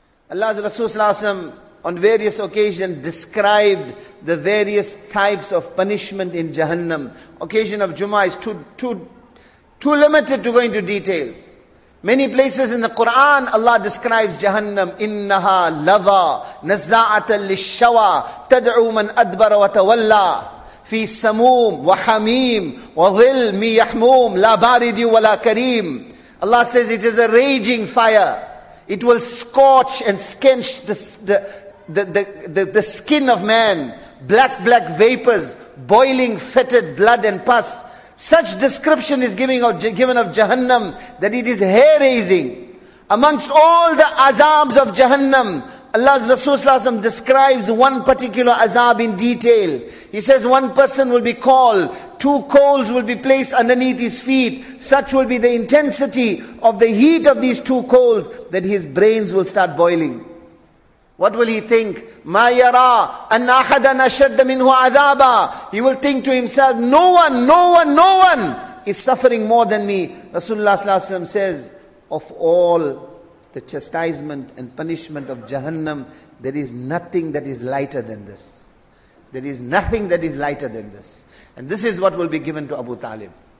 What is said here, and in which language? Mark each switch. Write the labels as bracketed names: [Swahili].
[English] Allah's Rasul sallallahu alayhi wa sallam on various occasions described the various types of punishment in Jahannam. Occasion of Jummah is too limited to go into details. Many places in the Quran, Allah describes Jahannam. [Arabic] إِنَّهَا لَظَى نَزَّاعَةً لِلشَّوَى تَدْعُو مَنْ أَدْبَرَ وَتَوَلَّى فِي سَمُومٍ وَحَمِيمٍ وَظِلْ مِي يَحْمُومٍ لَا بَارِدٍ وَلَا كَرِيمٍ [English] Allah says it is a raging fire. It will scorch and scorch the skin of man. Black vapors, boiling, fetid blood and pus. Such description is given of Jahannam that it is hair-raising. Amongst all the azabs of Jahannam, Allah's Rasul describes one particular azab in detail. He says one person will be called, two coals will be placed underneath his feet. Such will be the intensity of the heat of these two coals that his brains will start boiling. What will he think? [Arabic] ما يرى أن أحدا أشد منه عذابا. [English] He will think to himself, no one is suffering more than me. Rasulullah sallallahu alaihi wasallam says, of all the chastisement and punishment of Jahannam, there is nothing that is lighter than this. There is nothing that is lighter than this. And this is what will be given to Abu Talib.